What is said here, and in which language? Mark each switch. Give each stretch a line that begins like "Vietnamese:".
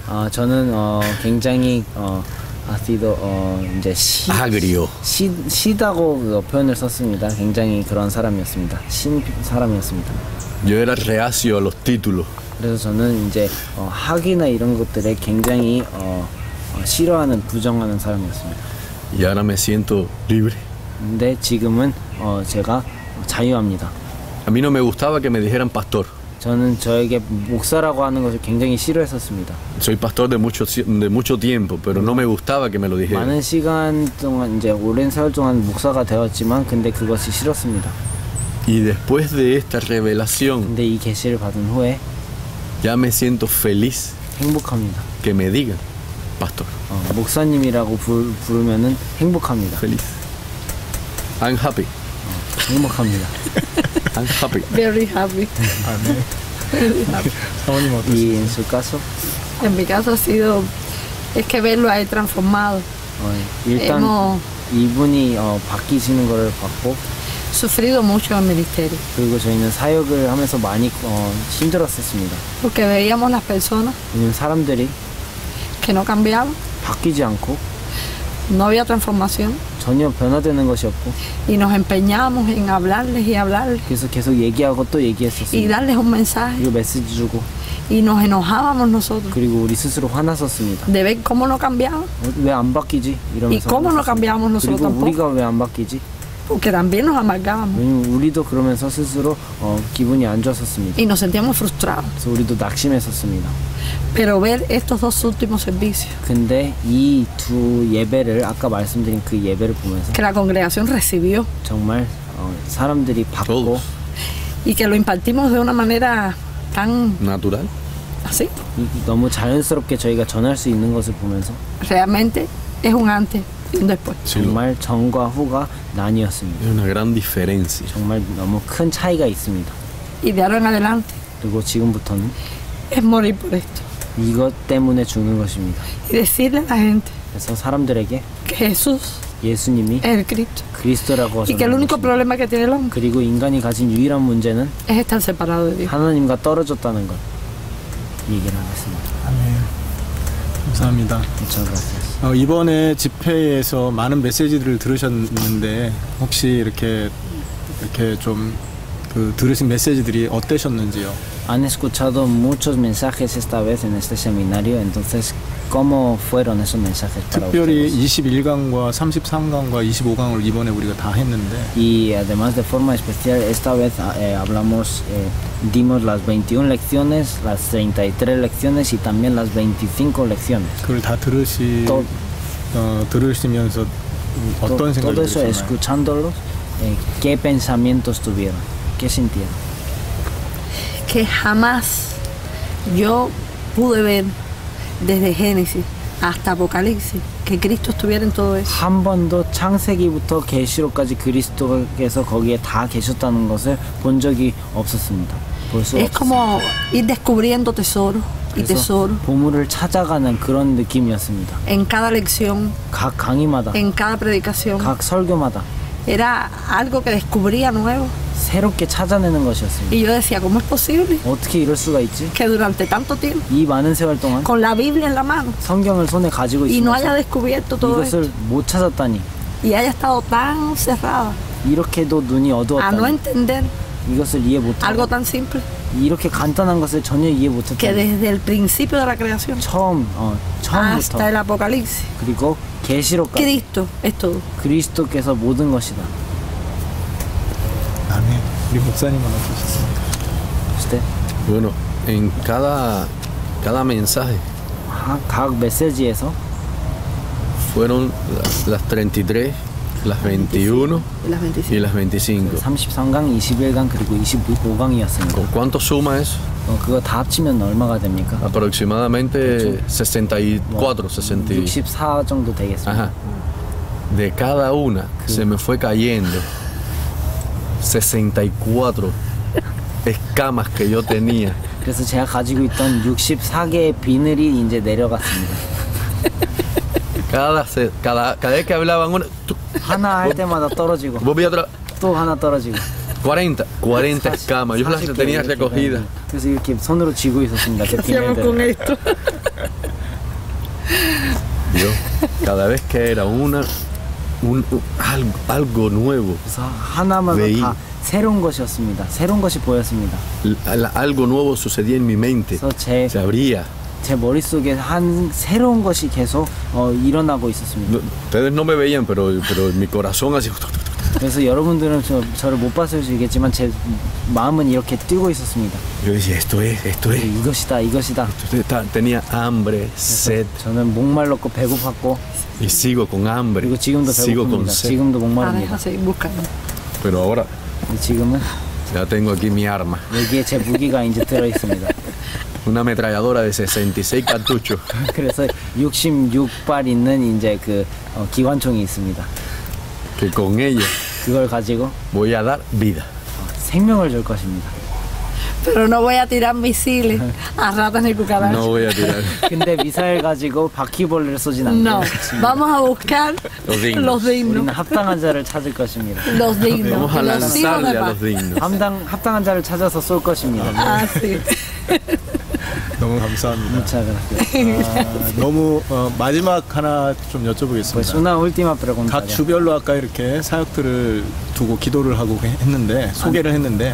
Korean: 저는 굉장히 ácido, 이제
Spanish: agrio.
Korean: 시다고 표현을 썼습니다. 굉장히 그런 사람이었습니다. 신 사람이었습니다.
Spanish: Yo era reacio a los títulos.
Korean: 그래서 저는 이제 학위나 이런 것들에 굉장히 싫어하는 부정하는 사람이었습니다.
Spanish: Y ahora me siento libre.
Korean: 근데 지금은 제가 자유합니다.
Spanish: A mí no me gustaba que me dijeran pastor.
Korean: 저는 저에게 목사라고 하는 것을 굉장히 싫어했었습니다.
Spanish: Soy pastor de mucho tiempo, pero no me gustaba que me lo dijeran.
Korean: 많은 시간 동안 이제 오랜 세월 동안 목사가 되었지만 근데 그것이 싫었습니다.
Spanish: Y después de esta revelación.
Korean: 근데 이 계시를 받은 후에
Spanish: Ya me siento feliz.
Korean: 행복합니다.
Spanish: Que me digan pastor.
Korean: 목사님이라고 부르면은 행복합니다.
Spanish: Feliz.
English: I'm happy.
Korean: 행복합니다.
English: I'm happy. Very happy.
Korean: 아, 네.
English: Very happy.
Spanish: ¿Y en su caso? En mi caso ha sido es que verlo ahí transformado.
Korean: 일단 이분이 바뀌시는 거를 봤고
Spanish: sufrido mucho en el ministerio.
Korean: 그리고 저희는 사역을 하면서 많이 힘들었었습니다.
Spanish: Porque veíamos las personas.
Korean: 왜냐면 사람들이
Spanish: que no cambiaban.
Korean: 바뀌지 않고
Spanish: no había transformación.
Korean: 전혀 변화되는 것이 없고.
Spanish: Y nos empeñamos en hablarles y hablarles.
Korean: 계속 얘기하고 또 얘기했었어요.
Spanish: Y darles un mensaje.
Korean: 그리고 메시지 주고.
Spanish: Y nos enojábamos nosotros.
Korean: 그리고 우리 스스로 화났었습니다.
Spanish: De ver cómo no cambiaba.
Korean: 왜 안 바뀌지? 이러면서.
Spanish: Y cómo no cambiamos nosotros tampoco.
Korean: 그리고 우리가 왜 안 바뀌지?
Spanish: Porque también nos amargábamos.
Korean: 우리도 그러면서 스스로 기분이 안 좋았었습니다.
Spanish: Y nos sentíamos frustrados.
Korean: 우리도 낙심했었습니다.
Spanish: Pero ver estos dos últimos servicios.
Korean: 근데 이 두 예배를 아까 말씀드린 그 예배를 보면서.
Spanish: Que la congregación recibió.
Korean: 정말 사람들이 받고.
Spanish: Todos. Y que lo impartimos de una manera tan natural. Así.
Korean: 너무 자연스럽게 저희가 전할 수 있는 것을 보면서.
Spanish: Realmente es un antes. Después.
Korean: 정말 전과 후가 나뉘었습니다.
Spanish: Es una gran diferencia.
Korean: 정말 너무 큰 차이가 있습니다.
Spanish: Y de ahora en adelante.
Korean: 그리고 지금부터는.
Spanish: Es morir por esto.
Korean: 이것 때문에 죽는 것입니다.
Spanish: Y decirle a la gente.
Korean: 그래서 사람들에게.
Spanish: Que Jesús.
Korean: 예수님이.
Spanish: El Cristo.
Korean: 그리스도라고.
Spanish: Y que el único problema que tiene el hombre.
Korean: 그리고 인간이 가진 유일한 문제는.
Spanish: Es estar separado de Dios.
Korean: 하나님과 떨어졌다는 것. 얘기를 하겠습니다. 아멘. 감사합니다. 감사합니다. 이번에 집회에서 많은 메시지들을 들으셨는데 혹시 이렇게 좀 그 들으신 메시지들이 어떠셨는지요?
Spanish: Han escuchado muchos mensajes esta vez en este seminario. Entonces, ¿cómo fueron esos mensajes para ustedes?
Korean: 특별히 21강과 33강과 25강을 이번에 우리가 다 했는데.
Spanish: Y además de forma especial esta vez hablamos dimos las 21 lecciones, las 33 lecciones y también las 25 lecciones.
Korean: 그걸 다 들으시면서 어떤 생각이 드셨나요?
Spanish: Todo eso escuchándolos, ¿qué pensamientos tuvieron? ¿Qué sintieron? Que jamás yo pude ver desde Génesis hasta Apocalipsis, que Cristo estuviera en todo eso.
Korean: 한 번도 창세기부터 계시록까지 그리스도께서 거기에 다 계셨다는 것을 본 적이 없었습니다. 볼 수 없었습니다.
Spanish: Es como ir descubriendo tesoro y tesoro.
Korean: 보물을 찾아가는 그런 느낌이었습니다.
Spanish: En cada lección,
Korean: 각 강의마다,
Spanish: en cada predicación,
Korean: 각 설교마다.
Spanish: Era algo que descubría nuevo.
Korean: 새롭게 찾아내는 것이었습니다.
Spanish: Y yo decía, ¿cómo es posible?
Korean: 어떻게 이럴 수가 있지?
Spanish: Que durante tanto tiempo,
Korean: 이 많은 세월 동안,
Spanish: con la Biblia en la mano,
Korean: 성경을 손에 가지고 있어.
Spanish: Y no haya descubierto todo.
Korean: 이것을
Spanish: esto.
Korean: 못 찾았다니.
Spanish: Y haya estado tan cerrada.
Korean: 이렇게도 눈이 어두웠다.
Spanish: A no entender.
Korean: 이것을 이해 못 하고.
Spanish: Algo tan simple.
Korean: 이렇게 간단한 것을 전혀 이해 못 했다.
Spanish: Que desde el principio de la creación.
Korean: 처음부터.
Spanish: Hasta el Apocalipsis.
Korean: 그리고 계시록까지.
Spanish: Cristo es todo.
Korean: 그리스도께서 모든 것이다. 아멘. 우리 목사님은 어떠셨습니까? 시대.
Spanish: Bueno, en cada mensaje.
Korean: 각 메시지에서.
Spanish: Fueron las 33. Las 21 25. y las 25.
Korean: 33강, 21강, 그리고 25강이었습니다.
Spanish: ¿Cuánto suma eso?
Korean: 그거 다 합치면 얼마가 됩니까?
Spanish: Aproximadamente 64,
Korean: 64 정도 되겠습니다.
Spanish: Ajá. De cada una 그... se me fue cayendo 64 escamas que yo tenía.
Korean: 그래서 제가 가지고 있던 64개의 비늘이 이제 내려갔습니다.
Spanish: Cada vez que hablaban una...
Korean: 하나 할 때마다 떨어지고 또 하나 떨어지고
Spanish: 40 escamas. Yo las tenía recogidas.
Korean: 그래서 이렇게 손으로 쥐고 있었습니다.
Spanish: ¿Qué hacíamos con esto? Yo, cada vez que era una, un, algo, algo nuevo.
Korean: 그래서 하나마다 다 새로운 것이었습니다. 새로운 것이 보였습니다.
Spanish: Algo nuevo sucedía en mi mente. Se abría.
Korean: 제 머릿속에 한 새로운 것이 계속 일어나고 있었습니다.
Spanish: Ustedes no me veían, pero mi corazón así.
Korean: 그래서 여러분들은 저를 못 봤을 수 있겠지만 제 마음은 이렇게 뛰고 있었습니다.
Spanish: Yo decía, esto es.
Korean: 이것이다, 이것이다.
Spanish: Tenía hambre, sed.
Korean: 저는 목말랐고 배고팠고. Y sigo con hambre. 그리고 지금도 배고픕니다. 지금도 목마릅니다. 아, 제가 목마르.
Spanish: Pero ahora.
Korean: 지금은.
Spanish: Ya tengo aquí mi arma.
Korean: 여기에 제 무기가 이제 들어 있습니다.
Spanish: Una ametralladora de 66 cartuchos.
Korean: 그래서 66발 있는 이제 그 기관총이 있습니다.
Spanish: Que con ella.
Korean: 그걸 가지고.
Spanish: Voy a dar vida.
Korean: 생명을 줄 것입니다.
Spanish: Pero no voy a tirar misiles a ratas ni cucarachas. No voy a tirar.
Korean: 근데 미사일 가지고 바퀴벌레를 쏘진 않을 것입니다.
Spanish: No. Vamos a buscar los dignos.
Korean: 우리는 합당한 자를 찾을 것입니다.
Spanish: Los dignos. Vamos a lanzarle a los dignos.
Korean: 합당한 자를 찾아서 쏠 것입니다. 아, sí. 너무 감사합니다. 아, 너무 마지막 하나 좀 여쭤보겠습니다. 각 주별로 아까 이렇게 사역들을 두고 기도를 하고 했는데 소개를 했는데